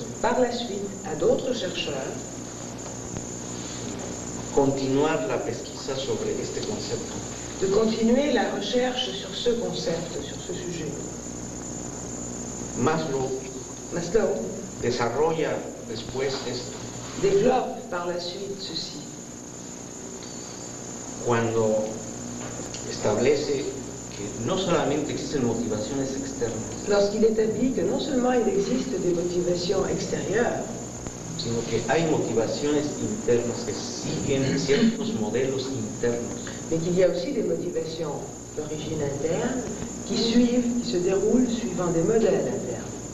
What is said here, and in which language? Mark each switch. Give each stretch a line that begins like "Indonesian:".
French: Par la suite, à d'autres chercheurs.
Spanish: Continuar la pesquisa sobre este concepto.
French: De continuer la recherche sur ce concept, sur ce sujet.
Spanish: Maslow. Desarrolla después esto.
French: Développe par la suite ceci.
Spanish: Cuando establece que no solamente existen motivaciones externas.
French: Lorsqu'il établit que non seulement il existe des motivations extérieures,
Spanish: sino que hay motivaciones internas que siguen ciertos modelos internos.
French: Mais qu'il y a aussi des motivations d'origine interne qui suivent, qui se déroulent suivant des modèles internes.